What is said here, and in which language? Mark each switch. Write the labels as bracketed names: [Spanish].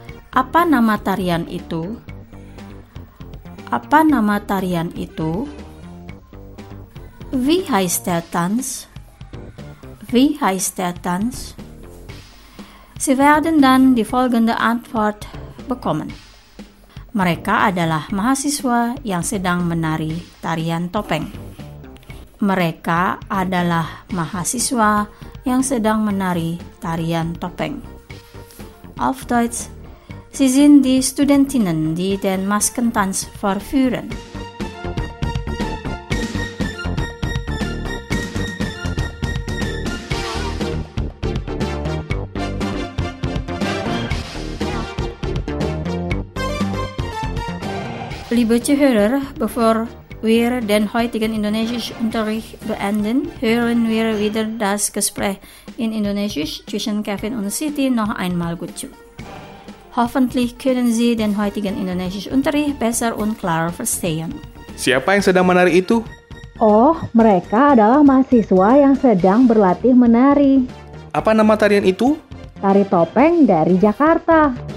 [Indonesian] Apa nama tarian itu? Apa nama tarian itu? [German] Wie heißt der Tanz? Wie heißt der Tanz? Sie werden dann die folgende Antwort bekommen. [Indonesian] Mereka adalah mahasiswa yang sedang menari tarian topeng. Mereka adalah mahasiswa yang sedang menari tarian topeng. [German] Auf Deutsch. Sie sind die Studentinnen, die den Maskentanz vorführen. Liebe Zuhörer, bevor wir den heutigen Indonesischunterricht beenden, hören wir wieder das Gespräch in Indonesisch zwischen Kevin und Siti noch einmal gut zu. Hoffentlich können Sie den heutigen Indonesischunterricht besser und klarer verstehen. [Indonesian] Siapa yang sedang menari itu? Oh, mereka adalah mahasiswa yang sedang berlatih menari. Apa nama tarian itu? Tari topeng dari Jakarta.